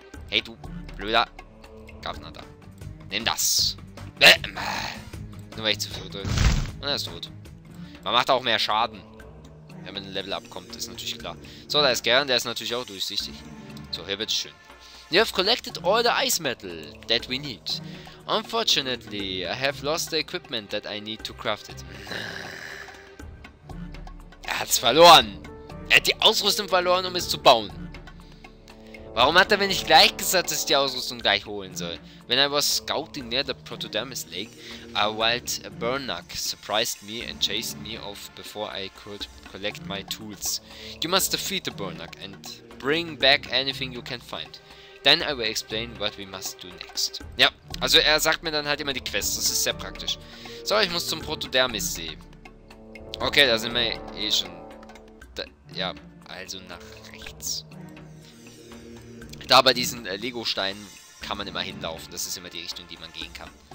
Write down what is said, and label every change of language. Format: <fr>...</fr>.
<de>Hey, du blöder Gaffner da. Nimm das. Bäm. Nur weil ich zu viel drücke. Und er ist tot. Man macht auch mehr Schaden, wenn man ein Level abkommt, ist natürlich klar. So, da ist Garen, der ist natürlich auch durchsichtig. So, hier wird's schön.</de> <en>You have collected all the ice metal that we need. Unfortunately, I have lost the equipment that I need to craft it.</en> <de>Er hat's verloren. Er hat die Ausrüstung verloren, um es zu bauen. Warum hat er mir nicht gleich gesagt, dass ich die Ausrüstung gleich holen soll?</de> <en>When I was scouting near the Protodermis Lake, a wild Burnak surprised me and chased me off before I could collect my tools. You must defeat the Burnak and bring back anything you can find. Then I will explain what we must do next.</en> <de>Ja, also er sagt mir dann halt immer die Quests, das ist sehr praktisch. So, ich muss zum Protodermis See. Okay, da sind wir eh schon. Da, ja, also nach rechts. Da bei diesen Lego-Steinen kann man immer hinlaufen. Das ist immer die Richtung, die man gehen kann.</de>